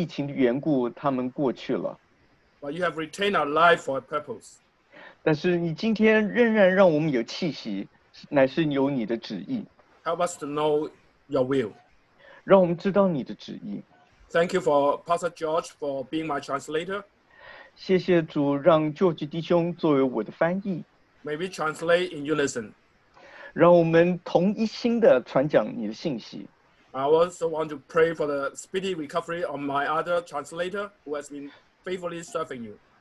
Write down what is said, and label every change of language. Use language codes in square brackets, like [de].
[zh] 因为对我来说，我自己有许多亲近的人，因着疫情的缘故，他们过去了。 [en] But you have retained our life for a purpose. [zh] 但是你今天仍然让我们有气息，乃是有你的旨意。 [en] Help us to know your will. [zh] 让我们知道你的旨意。 [en] Thank you for Pastor George for being my translator. [zh] 谢谢主让George弟兄作为我的翻译。 [en] May we translate in unison. [zh] 让我们同一心地传讲你的信息。 [en] I also want to pray for the speedy recovery of my other translator who has been faithfully serving you.